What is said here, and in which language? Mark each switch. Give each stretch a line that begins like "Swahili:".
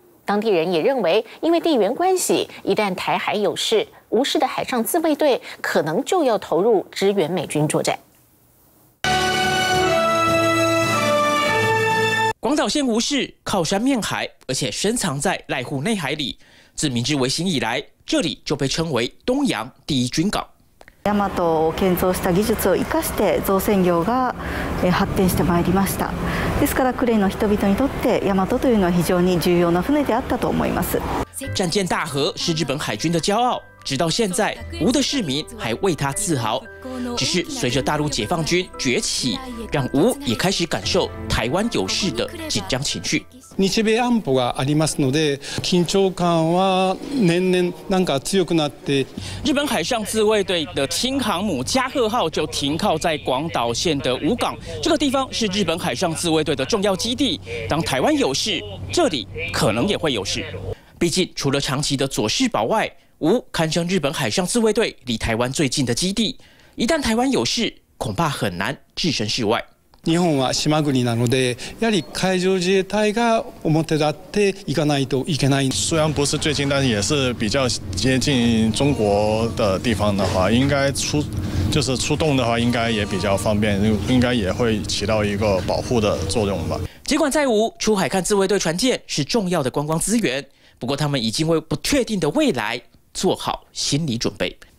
Chinese: 当地人也认为，因为地缘关系，一旦台海有事，吴市的海上自卫队可能就要投入支援美军作战。广岛县吴市靠山面海，而且深藏在濑户内海里。自明治维新以来，这里就被称为东洋第一军港。
Japanese: 大和を建造した技術を生かして造船業が発展してまいりました。ですから呉の人々にとって大和というのは非常に重要な船であったと思います。
Chinese: 战舰大和是日本海军的骄傲，直到现在吴的市民还为他自豪。只是随着大陆解放军崛起，让吴也开始感受台湾有事的紧张情绪。
Japanese: 日米安保がありますので緊張感は年々なんか強くなって。
Chinese: 日本海上自卫队的轻航母加贺号就停靠在广岛县的吴港，这个地方是日本海上自卫队的重要基地，当台湾有事，这里可能也会有事。毕竟除了长崎的佐世保外，吴堪称日本海上自卫队离台湾最近的基地，一旦台湾有事，恐怕很难置身事外。
Japanese: 日本は島国なので、やはり海上自衛隊が表立っていかないといけない。
Chinese: 虽然不是最近，但也是比较接近中国的地方的话，应该就是出动的话，应该也比较方便，应该也会起到一个保护的作用吧。尽管在吴出海看自卫队船舰是重要的观光资源，不过他们已经为不确定的未来做好心理准备。